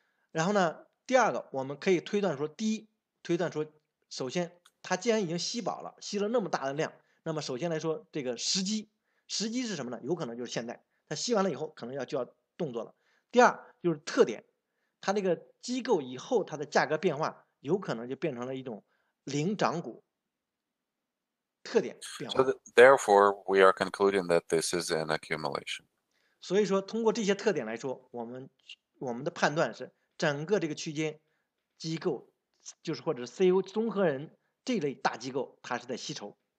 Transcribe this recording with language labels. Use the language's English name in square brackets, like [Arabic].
[Chinese] 然后呢，第二个我们可以推断说，第一推断说，首先它既然已经吸饱了，吸了那么大的量，那么首先来说这个时机是什么呢？有可能就是现在它吸完了以后可能就要动作了。第二就是特点，它那个机构以后它的价格变化有可能就变成了一种领涨股特点变化。 [English] So therefore we are concluding that this is an accumulation. [Chinese] 所以说通过这些特点来说，我们的判断是整个这个区间机构，就是或者是 CO 综合人这类大机构，它是在吸筹。